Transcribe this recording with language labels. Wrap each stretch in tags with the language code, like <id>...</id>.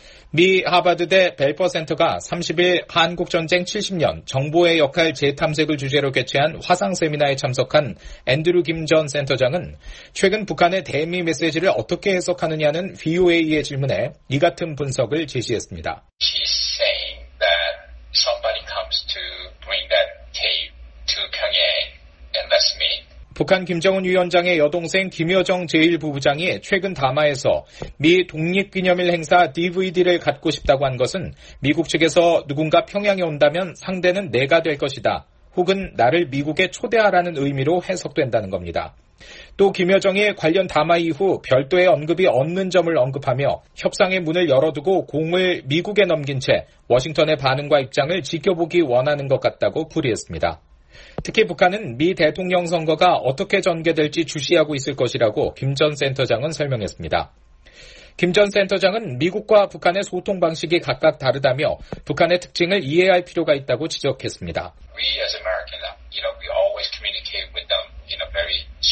<ko>미 하버드대 벨퍼 센터가 30일 한국전쟁 70년 정보의 역할 재탐색을 주제로 개최한 화상 세미나에 참석한 앤드루 김 전 센터장은 최근 북한의 대미 메시지를 어떻게 해석하느냐는 VOA의 질문에 이 같은 분석을 제시했습니다.</ko> <en>He's saying that somebody comes to bring that tape to Pyongyang and that's me.</en> <ko>북한 김정은 위원장의 여동생 김여정 제1부부장이 최근 담화에서 미 독립기념일 행사 DVD를 갖고 싶다고 한 것은 미국 측에서 누군가 평양에 온다면 상대는 내가 될 것이다 혹은 나를 미국에 초대하라는 의미로 해석된다는 겁니다. 또 김여정이 관련 담화 이후 별도의 언급이 없는 점을 언급하며 협상의 문을 열어두고 공을 미국에 넘긴 채 워싱턴의 반응과 입장을 지켜보기 원하는 것 같다고 풀이했습니다. 특히 북한은 미 대통령 선거가 어떻게 전개될지 주시하고 있을 것이라고 김 전 센터장은 설명했습니다. 김 전 센터장은 미국과 북한의 소통 방식이 각각 다르다며 북한의 특징을 이해할 필요가 있다고 지적했습니다.</ko> <en>We as Americans, you know, we always communicate with them in a very</en>